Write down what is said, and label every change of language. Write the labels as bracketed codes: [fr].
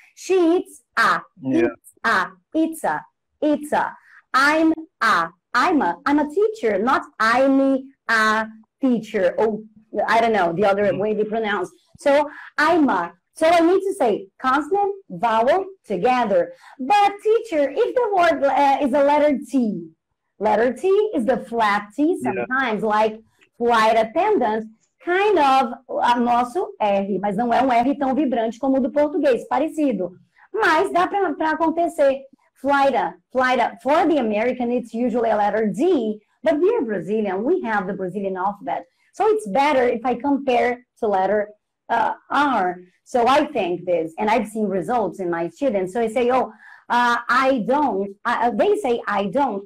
[en] She eats a, eats a, eats a, eats a. I'm a, I'm a, I'm a teacher, not I'm a teacher. Oh, I don't know the other way to pronounce. So I'm a. So I need to say consonant, vowel, together. But teacher, if the word is a letter T is the flat T sometimes, like flight attendant, kind of a [pt] nosso R, mas não é um R tão vibrante como o do português, parecido. Mas dá para acontecer. [en] Flight, for the American, it's usually a letter D, but we are Brazilian, we have the Brazilian alphabet. So it's better if I compare to letter R. So I think this, and I've seen results in my students. So I say, they say I don't.